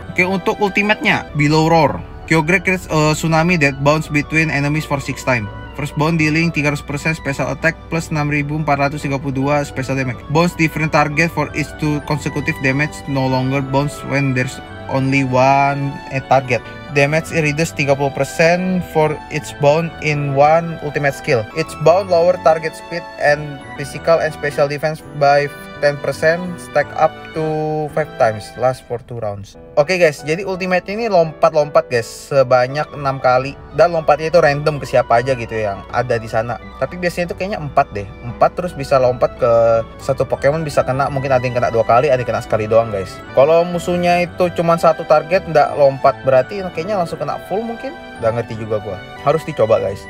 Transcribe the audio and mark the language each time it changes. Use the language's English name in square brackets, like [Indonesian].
[Indonesian] Oke, untuk ultimate-nya, Billow Roar. [English] Kyogre creates a tsunami that bounce between enemies for 6 times. First bond dealing 300% special attack plus 6432 special damage. Bounce different target for each 2 consecutive damage, no longer bounce when there's only one target. damage is reduced 30% for each bound in one ultimate skill. Each bound lower target speed and physical and special defense by 10%, stack up to 5 times, last for 2 rounds. [Indonesian] Oke guys, jadi ultimate ini lompat-lompat guys, sebanyak 6 kali. Dan lompatnya itu random ke siapa aja gitu yang ada di sana. Tapi biasanya itu kayaknya 4 deh. 4 terus bisa lompat ke satu Pokemon, bisa kena, mungkin ada yang kena 2 kali, ada yang kena sekali doang guys. Kalau musuhnya itu cuma satu target, nggak lompat, berarti kayaknya langsung kena full mungkin. Nggak ngerti juga gua. Harus dicoba guys.